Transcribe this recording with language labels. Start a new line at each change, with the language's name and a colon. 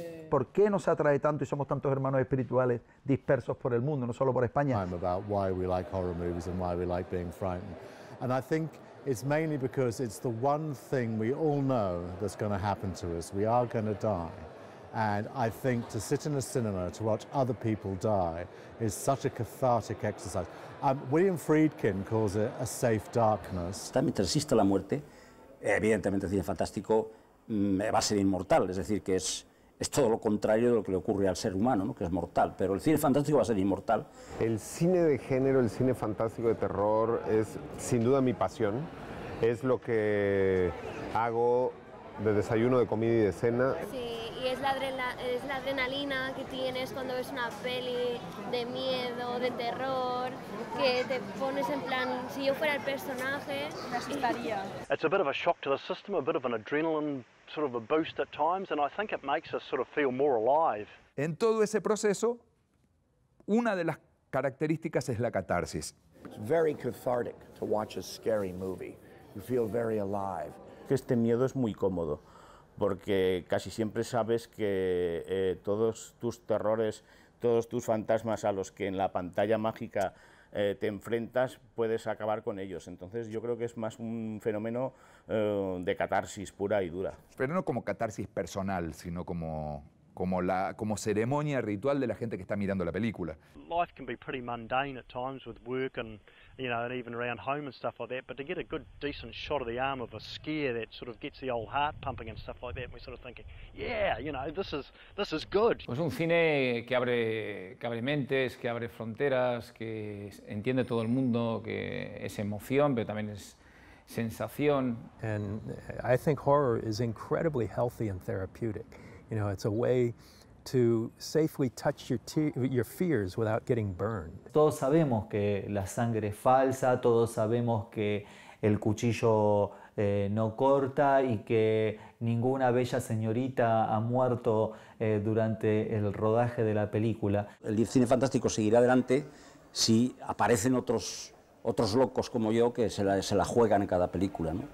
Spanish: ¿Por qué nos atrae tanto y somos tantos hermanos espirituales dispersos por el mundo, no solo por España?
English: I'm about why we like horror movies and why we like being frightened. And I think it's mainly because it's the one thing we all know that's going to happen to us. We are going to die. And I think to sit in a cinema to watch other people die is such a cathartic exercise. William Friedkin calls it a safe darkness.
Spanish: Está mientras exista la muerte, evidentemente el cine fantástico va a ser inmortal, es decir, que es todo lo contrario de lo que le ocurre al ser humano, ¿no? Que es mortal, pero el cine fantástico va a ser inmortal. El cine de género, el cine fantástico de terror es sin duda mi pasión, es lo que hago de desayuno, de comida y de cena. Sí. Y es la adrenalina que tienes cuando ves una peli de miedo, de terror, que te pones en plan, si yo fuera el personaje, me asustaría.
English: It's a bit of a shock to the system, a bit of an adrenaline sort of a boost at times, and I think it makes us sort of feel more alive.
Spanish: En todo ese proceso, una de las características es la catarsis.
English: It's very cathartic to watch a scary movie. You feel very alive.
Spanish: Este miedo es muy cómodo, porque casi siempre sabes que todos tus terrores, todos tus fantasmas a los que en la pantalla mágica te enfrentas, puedes acabar con ellos. Entonces yo creo que es más un fenómeno de catarsis pura y dura. Pero no como catarsis personal, sino como ceremonia ritual de la gente que está mirando la película.
English: Life can be pretty mundane at times with work and, you know, and even around home and stuff like that, but to get a good decent shot of the arm of a scare that sort of gets the old heart pumping and stuff like that, we're sort of thinking, yeah, you know, this is good.
Spanish: Pues un cine que abre mentes, que abre fronteras, que entiende todo el mundo, que es emoción, pero también es sensación.
English: And I think horror is incredibly healthy and therapeutic. You know, it's a way to safely touch your fears without getting burned.
Spanish: Todos sabemos que la sangre es falsa, todos sabemos que el cuchillo no corta y que ninguna bella señorita ha muerto durante el rodaje de la película. El cine fantástico seguirá adelante si aparecen otros locos como yo que se la juegan en cada película, ¿no?